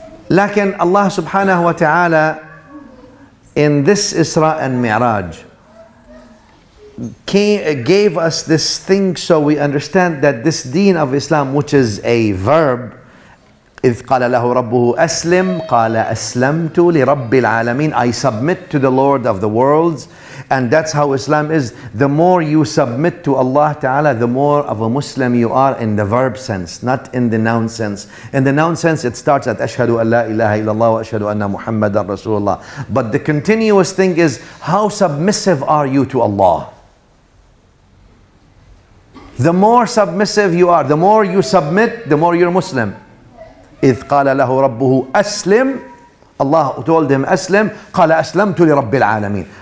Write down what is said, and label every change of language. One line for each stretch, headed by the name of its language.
Arabic: لكن الله سبحانه وتعالى,
English: in this Isra and Mi'raj, gave us this thing so we understand that this deen of Islam, which is a verb,
Arabic: إِذْ قَالَ لَهُ رَبُّهُ أَسْلِمْ قَالَ أَسْلَمْتُ لِرَبِّ الْعَالَمِينَ.
English: I submit to the Lord of the worlds. And that's how Islam is. The more you submit to Allah Ta'ala, the more of a Muslim you are in the verb sense, not in the noun sense. In the noun sense, it starts at
Arabic: أَشْهَدُ أَنْ لَا إِلَٰهَ إِلَّا اللَّهُ وَأَشْهَدُ أَنَّ مُحَمَّدًا رَسُولُ اللَّهِ.
English: But the continuous thing is, how submissive are you to Allah? The more submissive you are, the more you submit, the more you're Muslim.
Arabic: إِذْ قَالَ لَهُ رَبُّهُ أَسْلِمْ.
English: Allah told him, أَسْلِمْ.
Arabic: قَالَ أَسْلَمْتُ لِرَبِّ الْعَالَمِينَ.